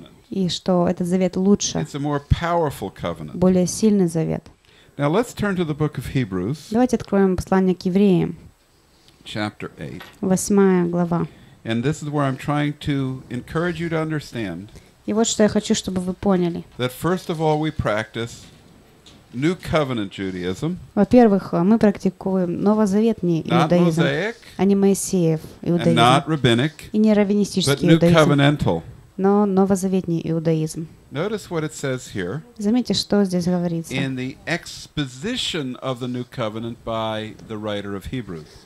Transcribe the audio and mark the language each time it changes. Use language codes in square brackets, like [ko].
[ru] И что этот завет лучше. Более сильный завет. Давайте откроем послание к евреям. Восьмая глава. [en] And this is where I'm trying to encourage you to understand. [ru] И вот что я хочу, чтобы вы поняли. [en] That first of all we practice New Covenant Judaism. [ru] Во-первых, мы практикуем новозаветный иудаизм, а не Моисеев иудаизм. [en] And not rabbinic, [ru] и не раввинистический [en] but [ru] иудаизм, [en] new covenantal. [ru] Но новозаветный иудаизм. [en] Notice what it says here. [ru] Заметьте, что здесь говорится. [en] In the exposition of the new covenant by the writer of Hebrews.